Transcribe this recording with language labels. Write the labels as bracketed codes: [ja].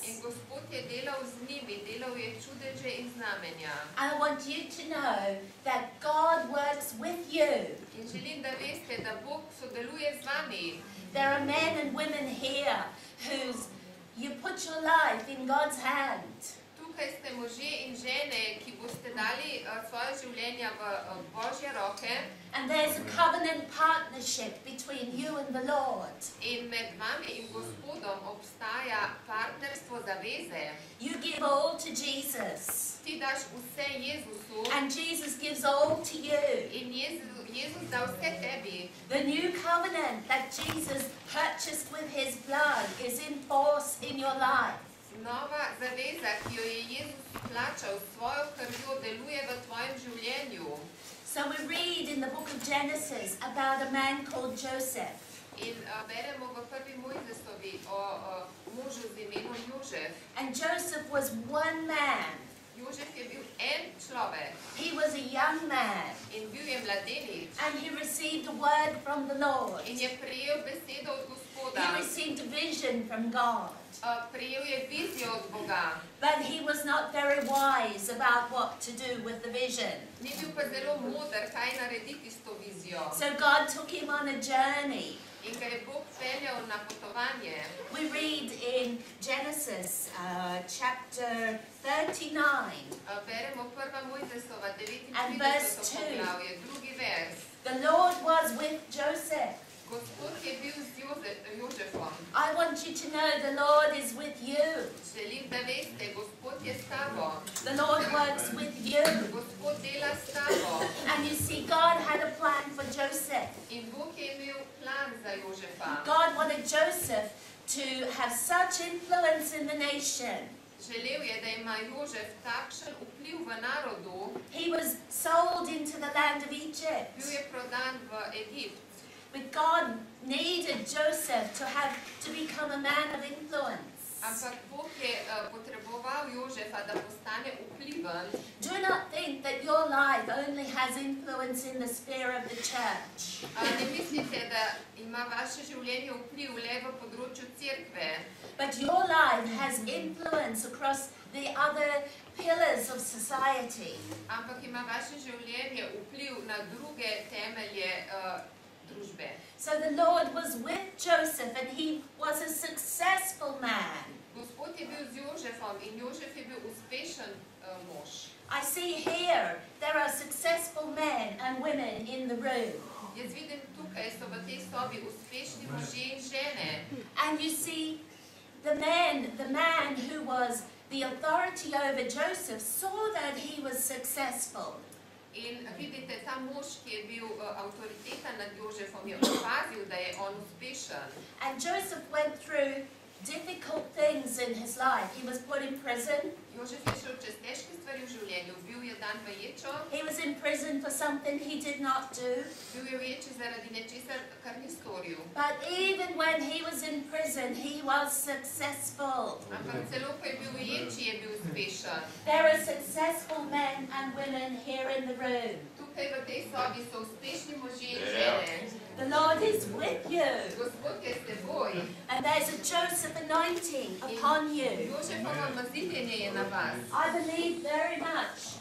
[sl] In Gospod je delal z njimi, delal je čudeže in znamenja. [en] I want you to know that God works with you. [sl] In želim, da veste, da Bog sodeluje z vami. [en] There are men and women here who's you put your life in God's hand. [sl] Tukaj ste možje in žene, ki boste dali svoje življenja v Božje roke. [en] And there's a covenant partnership between you and the Lord. [sl] In med vami in Gospodom obstaja partnerstvo zaveze. [en] You give all to Jesus. [sl] Ti daš vse Jezusu. [en] And Jesus gives all to you. [sl] In Jezus da vse tebi. [en] The new covenant that Jesus purchased with his blood is in force in your life. [sl] Nova zaveza, ki jo je Jezus plačal svojo krvjo, deluje v tvojem življenju. [en] So we read in the book of Genesis about a man called Joseph. [sl] In beremo v prvi Mojzesovi o možu z imenom Jožef. [en] And Joseph was one man. [sl] Jožef je bil en človek. [en] He was a young man. [sl] In bil je mladenič. [en] And he received a word from the Lord. [sl] In je prejel besedo od Gospoda. [en] He received a vision from God. [sl] Prejel je vizijo od Boga. [en] But he was not very wise about what to do with the vision. [sl] Ni bil pa zelo moder, kaj narediti s to vizijo. [en] So God took him on a journey. [sl] In ker je Bog peljal na potovanje. [en] We read in Genesis chapter 39. [sl] Beremo prva Mojzesova 39. poglavje, drugi vers. [en] The Lord was with Joseph. [sl] Gospod je bil z Jožefom. [en] I want you to know the Lord is with you. [sl] Želim, da veste, Gospod je s tabo. [en] The Lord works with you. [sl] Gospod dela s tabo. [en] And you see, God had a plan for Joseph. [sl] In Bog je imel plan za Jožefa. [en] God wanted Joseph to have such influence in the nation. [sl] Želel je, da ima Jožef takšen vpliv v narodu. [en] He was sold into the land of Egypt. [sl] Bil je prodan v Egipt. [en] But God needed Joseph to become a man of influence. [sl] Ampak Bog je potreboval Jožefa, da postane vpliven. [en] Do not think that your life only has influence in the sphere of the church. [sl] Ne mislite, da ima vaše življenje vpliv le v področju cerkve. [en] But your life has influence across the other pillars of society. [sl] Ampak ima vaše življenje vpliv na druge temelje družbe. [en] So the Lord was with Joseph and he was a successful man. [sl] Gospod je bil z Jožefom in Jožef je bil uspešen mož. [en] I see here there are successful men and women in the room. [sl] Jaz vidim tukaj so v tej sobi uspešni moži in žene. [en] And you see the man who was the authority over Joseph saw that he was successful. [sl] In vidite, ta mož, ki je bil avtoriteta nad Jožefom, je opazil, da je on uspešen. [en] And Joseph went through difficult things in his life. He was put in prison. [sl] Jožef je šel čez težke stvari v življenju. Bil je dan v ječo. [en] He was in prison for something he did not do. [sl] Bil je v ječi zaradi nečesa, kar ni storil. [en] But even when he was in prison, he was successful. [sl] Ampak celo, ko je bil v ječi, je bil uspešen. [en] There are successful men and women here in the room. [sl] Tukaj v tej sobi so uspešni moži in žene. [en] The Lord is with you. [sl] Gospod je s teboj. [en] And there's a Joseph anointing upon you. [sl] Jožefovo namazanje je na vas. [en] I believe very much.